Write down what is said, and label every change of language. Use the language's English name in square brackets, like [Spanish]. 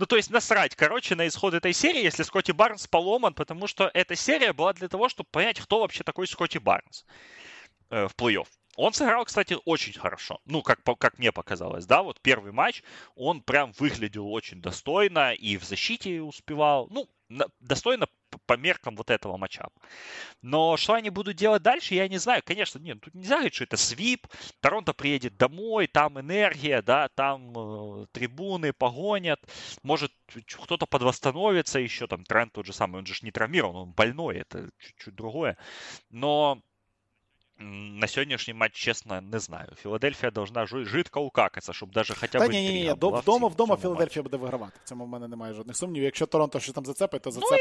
[Russian] Насрать, короче, [Ukrainian] на ісход цієї серії, якщо Скотті Барнс поломан, тому що ця серія була для того, щоб зрозуміти, хто взагалі такий Скотті Барнс в плей-офф. [Russian] Он сыграл, кстати, очень хорошо. Ну, как мне показалось, да, вот первый матч, он прям выглядел очень достойно и в защите успевал. Ну, достойно по меркам вот этого матча. Но что они будут делать дальше, я не знаю. Конечно, нет, тут нельзя говорить, что это свип. Торонто приедет домой, там энергия, да, там трибуны погонят. Может, кто-то подвосстановится еще, там Трент тот же самый, он же не травмирован, он больной, это чуть-чуть другое. Но [Ukrainian] На сьогоднішній матч, чесно, не знаю. Філадельфія должна жидко укакатися, щоб навіть хоча б інтрига була вдома, в цьому Філадельфія Буде вигравати. В цьому в мене немає жодних сумнівів. Якщо Торонто ще там зацепить, то зацепить.